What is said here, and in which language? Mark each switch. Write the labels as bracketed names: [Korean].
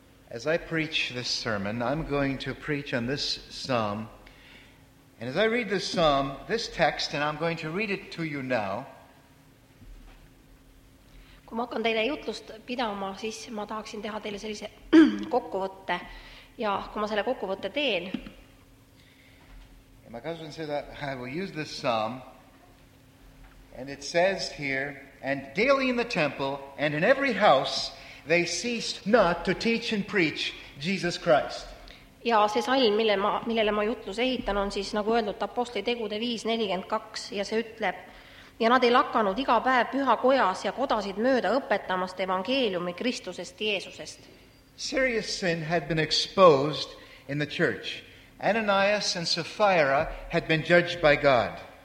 [English] As I preach this sermon, I'm going to preach on this psalm. And as I read this psalm, this text, and I'm going to read it to you now. [Estonian] Kui ma hakkan teile jutlust pidama, siis ma tahaksin teha teile sellise kokkuvõtte. Ja kui ma selle kokkuvõtte teen. Ja ma kasvan seda, [English] I will use this psalm. And it says here, and daily in the temple and in every house, they ceased not to teach and preach Jesus Christ. [Estonian] Ja see salm, millele ma jutlus ehitan, on siis nagu öeldud Apostli tegude 5.42 ja see ütleb, ja nad ei lakanud iga päev püha kojas ja kodasid mööda õpetamast evangeeliumi Kristusest Jeesusest. [English] Serious sin had been exposed in the church. Ananias and Sapphira had been judged by God.